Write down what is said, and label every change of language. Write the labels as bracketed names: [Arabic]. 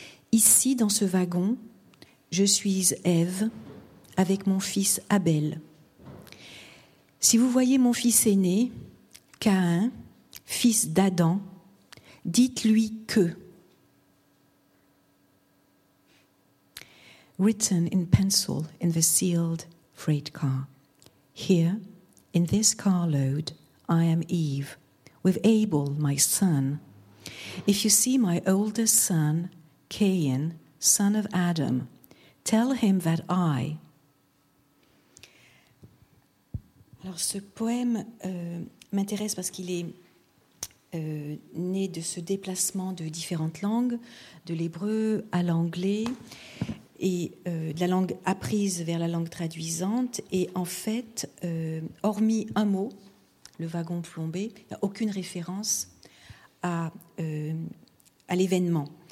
[French] Ici, dans ce wagon, je suis Ève avec mon fils Abel. Si vous voyez mon fils aîné, Caïn, fils d'Adam, dites-lui que... [English] Written in pencil in the sealed freight car. Here, in this carload, I am Eve, with Abel, my son. If you see my oldest son, Cain, son of Adam, tell him that I... [French] Alors, ce poème m'intéresse parce qu'il est né de ce déplacement de différentes langues, de l'hébreu à l'anglais, et de la langue apprise vers la langue traduisante. Et en fait, hormis un mot, le wagon plombé, il n'y a aucune référence à l'événement.